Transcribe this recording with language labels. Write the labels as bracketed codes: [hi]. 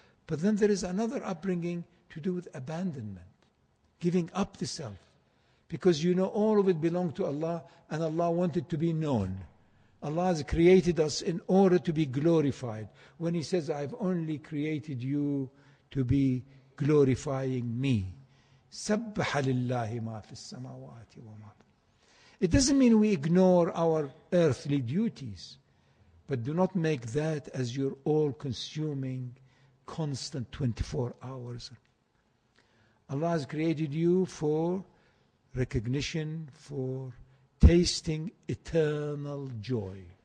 [en] But then there is another upbringing to do with abandonment, giving up the self. Because you know all of it belonged to Allah, and Allah wanted to be known. Allah has created us in order to be glorified. When He says, I've only created you to be glorifying me. [ar] سبح لله ما في السماوات وما في. [en] It doesn't mean we ignore our earthly duties, but do not make that as your all-consuming, constant 24 hours. Allah has created you for recognition, for tasting eternal joy.